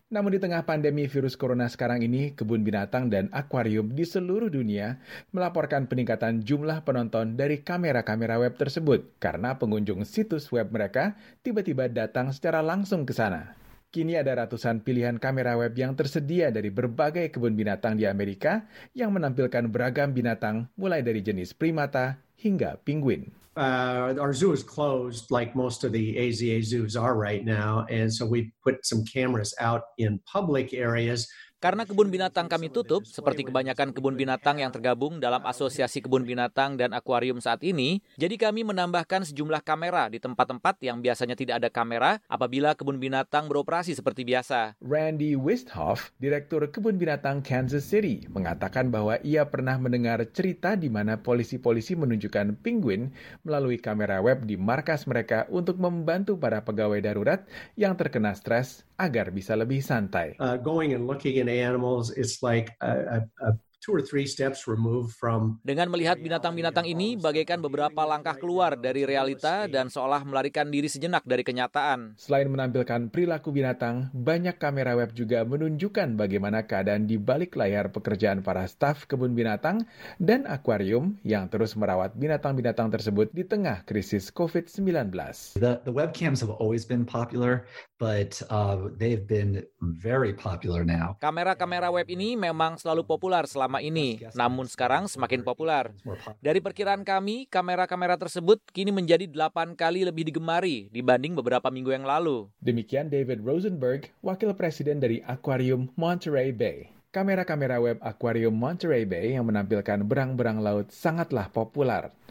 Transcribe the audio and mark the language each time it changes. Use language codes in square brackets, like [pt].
[id] Namun di tengah pandemi virus corona sekarang ini, kebun binatang dan akuarium di seluruh dunia melaporkan peningkatan jumlah penonton dari kamera-kamera web tersebut karena pengunjung situs web mereka tiba-tiba datang secara langsung ke sana. Kini ada ratusan pilihan kamera web yang tersedia dari berbagai kebun binatang di Amerika yang menampilkan beragam binatang mulai dari jenis primata hingga penguin. [en] Our zoo is closed like most of the AZA zoos are right now, and so we put some cameras out in public areas. [id] Karena kebun binatang kami tutup, seperti kebanyakan kebun binatang yang tergabung dalam Asosiasi Kebun Binatang dan Akuarium saat ini, jadi kami menambahkan sejumlah kamera di tempat-tempat yang biasanya tidak ada kamera apabila kebun binatang beroperasi seperti biasa. Randy Wisthoff, Direktur Kebun Binatang Kansas City, mengatakan bahwa ia pernah mendengar cerita di mana polisi-polisi menunjukkan penguin melalui kamera web di markas mereka untuk membantu para pegawai darurat yang terkena stres agar bisa lebih santai. [en] Going and looking in animals, it's like two or three steps removed from. [id] Dengan melihat binatang-binatang ini, bagaikan beberapa langkah keluar dari realita dan seolah melarikan diri sejenak dari kenyataan. Selain menampilkan perilaku binatang, banyak kamera web juga menunjukkan bagaimana keadaan di balik layar pekerjaan para staf kebun binatang dan akuarium yang terus merawat binatang-binatang tersebut di tengah krisis COVID-19. [en] The webcams have always been popular, but they've been very popular now. [id] Kamera-kamera web ini memang selalu populer selama ini, namun sekarang semakin populer. Dari perkiraan kami, kamera-kamera tersebut kini menjadi 8 kali lebih digemari dibanding beberapa minggu yang lalu. Demikian David Rosenberg, wakil presiden dari Aquarium Monterey Bay. Kamera-kamera web Aquarium Monterey Bay yang menampilkan berang-berang laut sangatlah populer.